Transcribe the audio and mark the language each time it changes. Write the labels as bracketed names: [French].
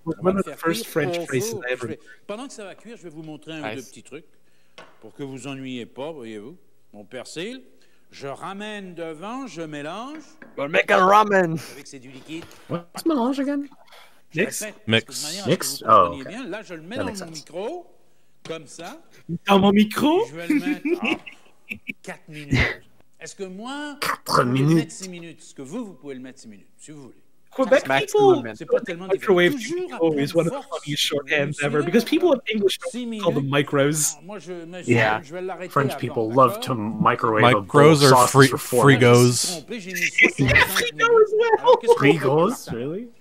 [English] One of the first French places I ever. [French] Pendant que ça va cuire, je vais vous montrer un ou deux petits trucs pour que vous ennuyez pas, voyez-vous. Mon persil. Je ramène devant, je mélange. [English] We're making ramen. [French] Avec c'est du liquide. [English] What's mélange again? Mix. Oh, okay. [French] Là, je le mets dans mon micro. Comme ça. Dans mon micro. Je vais le mettre 4 minutes. Est-ce que moi 4 minutes. Mettre 6 minutes. Est-ce que vous pouvez le mettre 6 minutes, si vous voulez. [English] Quebec people, microwave people is one of the funniest shorthands ever, because people in English don't call them micros. Yeah, French people love to microwave micros or frigos. Yeah, frigo as well! Frigos, really?